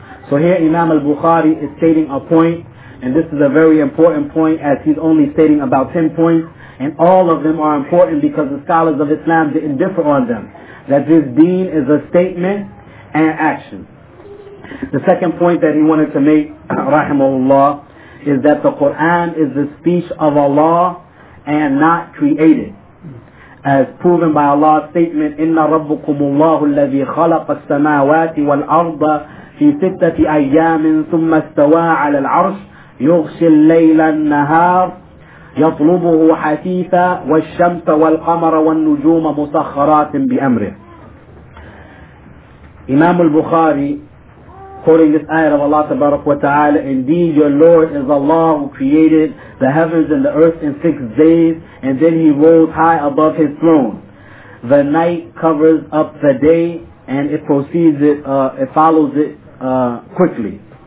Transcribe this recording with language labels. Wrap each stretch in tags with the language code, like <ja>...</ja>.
<en>So here Imam al-Bukhari is stating a point, and this is a very important point, as he's only stating about 10 points, and all of them are important because the scholars of Islam didn't differ on them, that this deen is a statement and action. The second point that he wanted to make, rahimahullah, is that the Qur'an is the speech of Allah and not created. As proven by Allah's statement,</en> <ar>إِنَّ رَبُّكُمُ اللَّهُ الَّذِي خَلَقَ السَّمَاوَاتِ وَالْأَرْضَ فِي سِتَّةِ أَيَّامٍ ثُمَّ اسْتَوَى عَلَى الْعَرْشِ يُغْشِي اللَّيْلَ النَّهَارِ يَطْلُبُهُ حَثِيثًا وَالشَّمْسَ وَالْقَمَرَ وَالنُّجُومَ مُسَخَّرَاتٍ بِأَمْرِهِ.</ar> <en>Imam al-Bukhari, quoting this ayat of Allah tabarak wa ta'ala, indeed your Lord is Allah who created the heavens and the earth in 6 days, and then he rose high above his throne. The night covers up the day, and it proceeds it, it follows it quickly.</en>